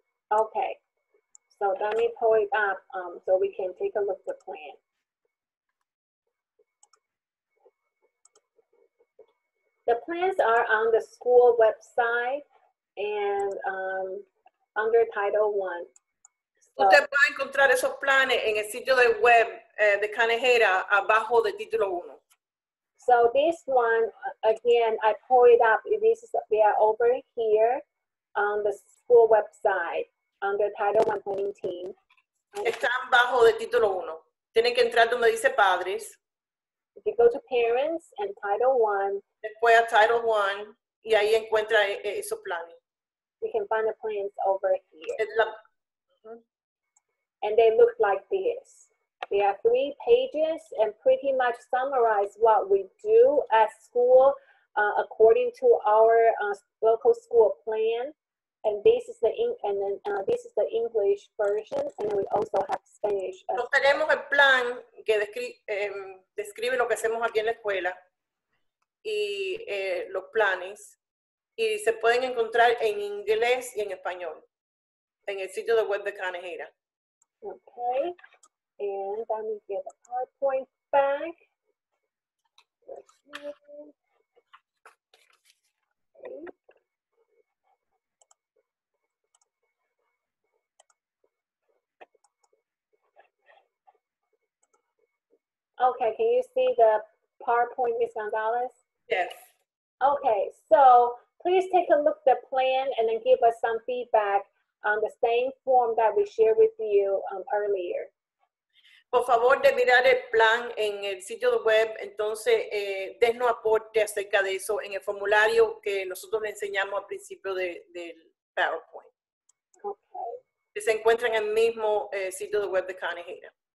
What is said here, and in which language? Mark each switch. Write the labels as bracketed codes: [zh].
[en] Okay, so let me pull it up so we can take a look at the plan. The plans are on the school website and under Title I. [es] So, usted puede encontrar esos planes en el sitio de web de Kanoheda abajo de Título I. [en] So this one, again, I pull it up. This is, they are over here on the school website. Under Title I planning team. [es] Están bajo de Título I. Tienen que entrar donde dice padres. [en] If you go to parents and Title I. [es] Después a Title I y ahí encuentra esos planes. [en] You can find the plans over here. And they look like this. They are three pages and pretty much summarize what we do at school according to our local school plan. And this is the this is the English version, and we also have Spanish. [es] Nos tenemos el plan que describe lo que hacemos aquí en la escuela y los planes, y se pueden encontrar en inglés y en español en el sitio de web de Kanoheda. [en] Okay, and let me get the PowerPoint back. Okay. Okay, can you see the PowerPoint, Ms. Gonzalez? Yes. Okay, so please take a look at the plan and then give us some feedback on the same form that we shared with you earlier. [es] Por favor, de mirar el plan en el sitio web, entonces, denos aporte acerca de eso en el formulario que nosotros le enseñamos al principio del PowerPoint. [en] Okay. [es] Se encuentra en el mismo sitio web de Kanoheda.